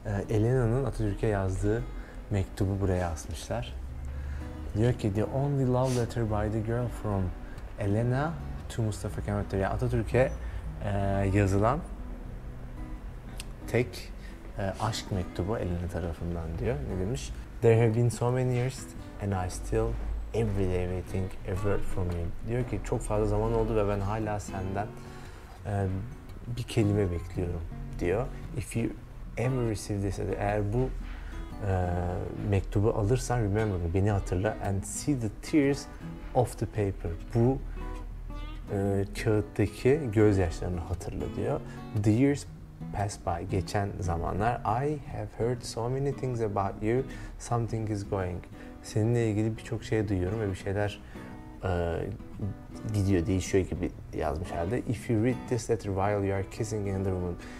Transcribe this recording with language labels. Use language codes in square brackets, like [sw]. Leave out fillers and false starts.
[tr] Elena'nın Atatürk'e yazdığı mektubu buraya asmışlar. Diyor ki [en] the only love letter by the girl from Elena to Mustafa Kemal Atatürk. [tr] Yani Atatürk'e yazılan tek aşk mektubu Elena tarafından diyor. Ne demiş? [en] There have been so many years and I still every day waiting a word from you. [tr] Diyor ki çok fazla zaman oldu ve ben hala senden bir kelime bekliyorum diyor. [en] If you ever receive this, [tr] eğer bu mektubu alırsan [en] remember me, [tr] beni hatırla [en] and see the tears of the paper. [tr] Bu kağıttaki gözyaşlarını hatırla diyor. [en] The years pass by, [tr] geçen zamanlar. [en] I have heard so many things about you. Something is going. [tr] Seninle ilgili birçok şey duyuyorum ve bir şeyler gidiyor, değişiyor gibi yazmış herhalde. [en] If you read this letter while you are kissing another woman.